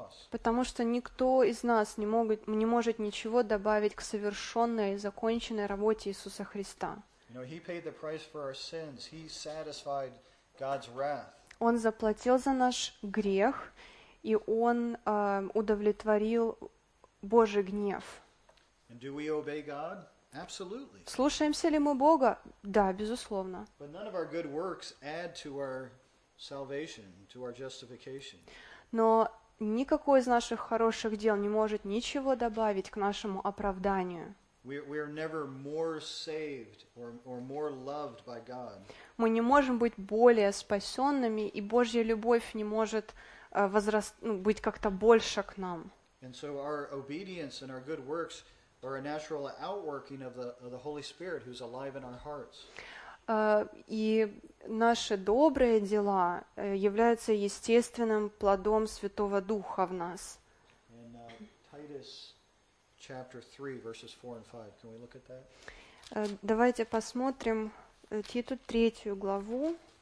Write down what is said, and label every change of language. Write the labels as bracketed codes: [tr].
[ru] Потому что никто из нас не может ничего добавить к совершенной и законченной работе Иисуса Христа. [en] You know, He paid the price for our sins. He satisfied God's wrath. [ru] Он заплатил за наш грех. И он удовлетворил Божий гнев. [en] And do we obey God? Absolutely. [ru] Слушаемся ли мы Бога? Да, безусловно. [en] But none of our good works add to our salvation, to our justification. [ru] Но никакой из наших хороших дел не может ничего добавить к нашему оправданию. [en] We are never more saved or more loved by God. [ru] Мы не можем быть более спасенными, и Божья любовь не может быть как-то больше к нам. [en] And so our obedience and our good works are a natural outworking of the Holy Spirit who's alive in our hearts. [ru] И наши добрые дела являются естественным плодом Святого Духа в нас. [en] In Titus chapter 3 verses 4 and 5. Can we look at that? [ru] Давайте посмотрим Титу 3 главу.